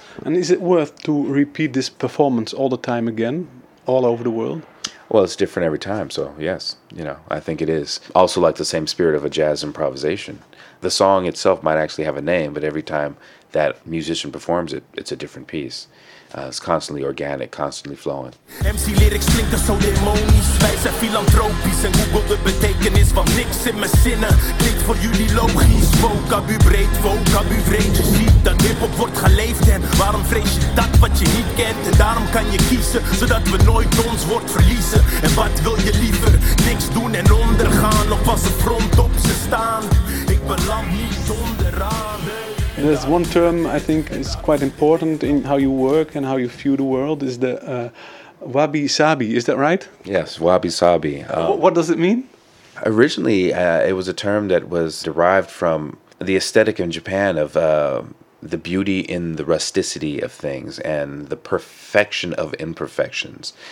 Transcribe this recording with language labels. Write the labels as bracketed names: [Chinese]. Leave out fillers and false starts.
[English] And is it worth to repeat this performance all the time again, all over the world? Well, it's different every time, so yes, you know, I think it is. Also like the same spirit of a jazz improvisation. The song itself might actually have a name, but every time that musician performs it, it's a different piece. It's constantly organic, constantly flowing. [Dutch] MC lyrics klinken zo demonisch, wij zijn filantropisch en Google de betekenis van niks in mijn zinnen. Klinkt voor jullie logisch, vocabu breed, vocabu vreemd. Je ziet dat hiphop wordt geleefd en waarom vrees je dat wat je niet kent? En daarom kan je kiezen, zodat we nooit ons woord verliezen. En wat wil je liever, niks doen en ondergaan, of als de front op ze staan? Ik beland niet onderaan. [English] There's one term I think is quite important in how you work and how you view the world, is the wabi-sabi, is that right? Yes, wabi-sabi. What does it mean? Originally, it was a term that was derived from the aesthetic in Japan of the beauty in the rusticity of things and the perfection of imperfections.